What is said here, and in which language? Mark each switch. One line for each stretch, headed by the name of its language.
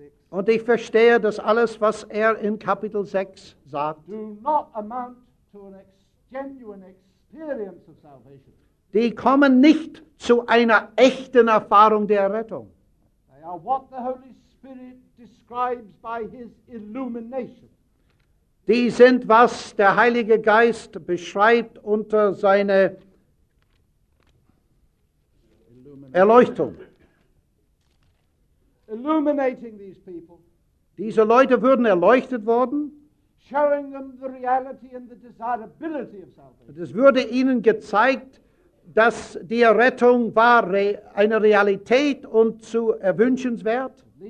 German: Und ich verstehe, dass alles, was er in Kapitel 6 sagt,
English: do not amount to a genuine experience of salvation.
German: Die kommen nicht zu einer echten Erfahrung der Errettung.
English: They are what the Holy Spirit describes by his illumination.
German: Die sind, was der Heilige Geist beschreibt unter seine Erleuchtung.
English: Illuminating these people.
German: Diese Leute würden erleuchtet worden.
English: Showing them the reality and the desirability of salvation.
German: Es würde ihnen gezeigt, dass die Errettung war eine Realität und zu erwünschenswert.